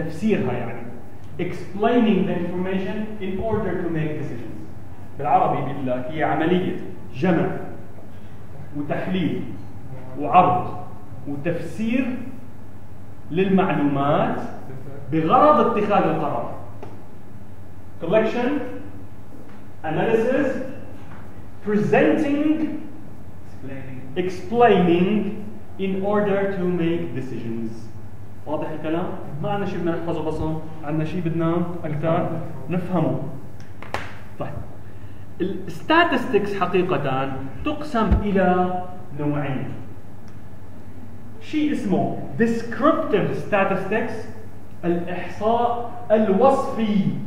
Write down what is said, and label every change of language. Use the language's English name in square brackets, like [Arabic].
[Arabic] تفسيرها يعني [English] explaining the information in order to make decisions. [Arabic] بالعربي بيقول لك هي عملية جمع وتحليل وعرض وتفسير للمعلومات بغرض اتخاذ القرار. [English] collection, analysis, presenting, explaining in order to make decisions. [Arabic] واضح الكلام؟ ما عندنا شيء بدنا نحفظه بصم، عندنا شيء بدنا اكثر نفهمه. طيب الستاتستكس حقيقة تقسم الى نوعين. شيء اسمه descriptive statistics الاحصاء الوصفي،